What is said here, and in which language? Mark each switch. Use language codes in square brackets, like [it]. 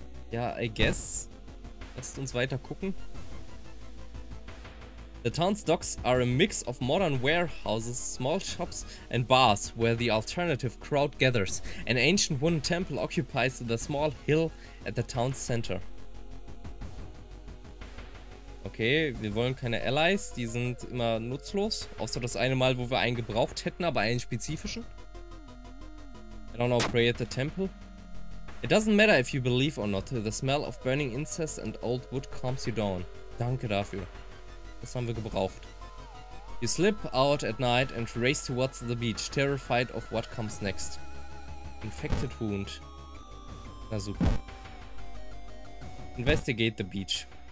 [de] Ja, [en] I guess. [de] Lasst uns weiter gucken. [en] The town's docks are a mix of modern warehouses, small shops and bars where the alternative crowd gathers. An ancient wooden temple occupies the small hill at the town center. [de] Okay, wir wollen keine Allies, die sind immer nutzlos. Außer das eine Mal, wo wir einen gebraucht hätten, aber einen spezifischen. [en] I don't know, pray at the temple. It doesn't matter if you believe or not, the smell of burning incense and old wood calms you down. [de] Danke dafür. Das haben wir gebraucht. [en] You slip out at night and race towards the beach, terrified of what comes next. Infected wound. [de] Na super. [en] Investigate the beach.